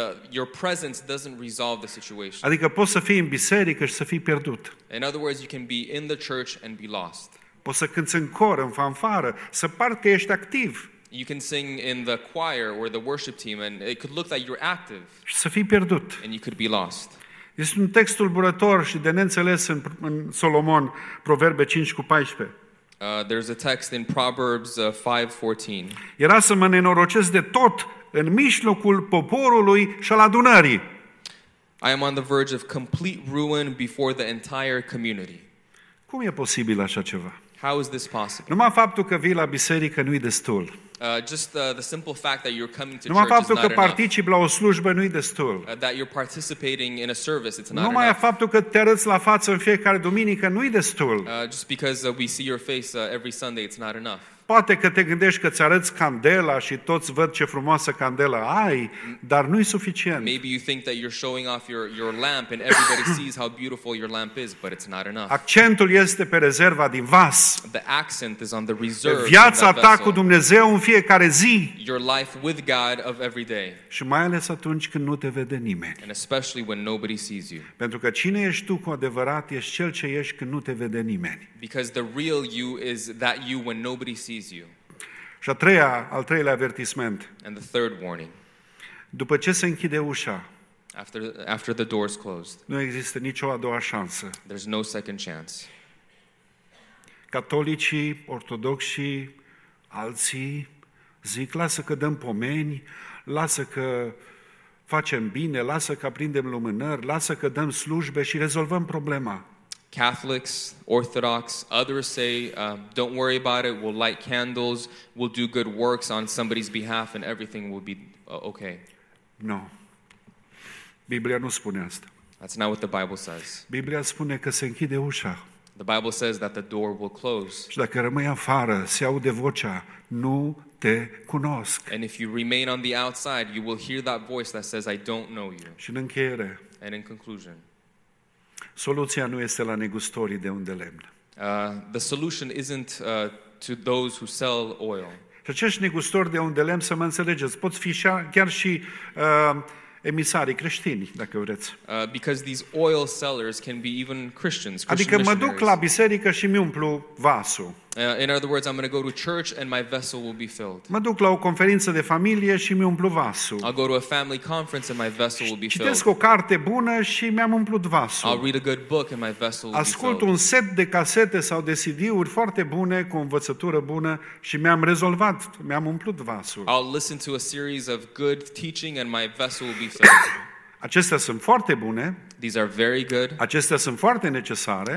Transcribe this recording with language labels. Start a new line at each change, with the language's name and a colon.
English: Your presence doesn't resolve the situation.
Romanian: Adică poți să fii în biserică și să fii pierdut.
English: In other words, you can be in the church and be lost.
Romanian: Poți să cânți în cor, în fanfară, să par că ești activ.
English: You can sing in the choir or the worship team and it could look like you're active.
Romanian: Și să fii pierdut.
English: And you could be lost.
Romanian: Este un text tulburător și de neînțeles în Solomon, Proverbe 5:14.
English: There's a text in Proverbs 5:14.
Romanian: Era să mă nenorocesc de tot în mijlocul poporului și al adunării.
English: I am on the verge of complete ruin before the entire community.
Romanian: Cum e posibil așa ceva?
English: How is this possible?
Romanian: Numai faptul că vii la biserică nu-i destul.
English: The simple fact that you're coming to church is not enough.
Romanian: Numai faptul că participi la o slujbă nu-i destul.
English: That you're participating in a service, it's not enough.
Romanian: Numai faptul că te arăți la față în fiecare duminică nu-i destul.
English: Just because we see your face every Sunday, it's not enough.
Romanian: Poate că te gândești că ți arăți candela și toți văd ce frumoasă candelă ai, dar nu-i suficient.
English: Maybe you think that you're showing off your lamp and everybody sees how beautiful your lamp is, but it's not enough.
Romanian: Accentul este pe rezerva din vas.
English: The accent is on the reserve.
Romanian: Viața ta cu Dumnezeu în fiecare zi.
English: Your life with God of every day.
Romanian: Și mai ales atunci când nu te vede nimeni.
English: And especially when nobody sees you.
Romanian: Pentru că cine ești tu cu adevărat ești cel ce ești când nu te vede nimeni.
English: Because the real you is that you when nobody sees.
Romanian: Și al treilea avertisment.
English: And the third warning.
Romanian: După ce se închide ușa,
English: after the door is closed,
Romanian: nu există nicio a doua șansă.
English: There's no second chance.
Romanian: Catolicii, ortodoxii, alții zic, lasă că dăm pomeni, lasă că facem bine, lasă că prindem lumânări, lasă că dăm slujbe și rezolvăm problema.
English: Catholics, Orthodox, others say, don't worry about it, we'll light candles, we'll do good works on somebody's behalf and everything will be okay.
Romanian: No. Biblia nu spune asta.
English: That's not what the Bible says.
Romanian: Biblia spune că se închide ușa.
English: The Bible says that the door will close.
Romanian: Și dacă rămâi afară, se aude vocea, nu te cunosc.
English: And if you remain on the outside, you will hear that voice that says, I don't know you.
Romanian: Și în încheiere.
English: And in conclusion.
Romanian: Soluția nu este la negustorii de unt de lemn.
English: The solution isn't to those who sell oil.
Romanian: Și acești negustori de unt de lemn, să mă înțelegeți, pot fi chiar și emisarii creștini, dacă vreți.
English: Because these oil sellers can be even Christians.
Romanian: Adică mă duc la biserică și mi umplu vasul.
English: In other words, I'm going to go to church and my vessel will be filled.
Romanian: Mă duc la o conferință de familie și mi umplu vasul.
English: I'll go to a family conference and my vessel will be filled.
Romanian: Citesc o carte bună și mi-am umplut vasul.
English: I'll read a good book and my vessel will be filled.
Romanian: Ascult un set de casete sau de CD-uri foarte bune cu învățătură bună și mi-am umplut vasul.
English: I'll listen to a series of good teaching and my vessel will be filled.
Romanian: Acestea sunt foarte bune.
English: These are very good.
Romanian: Acestea sunt foarte necesare.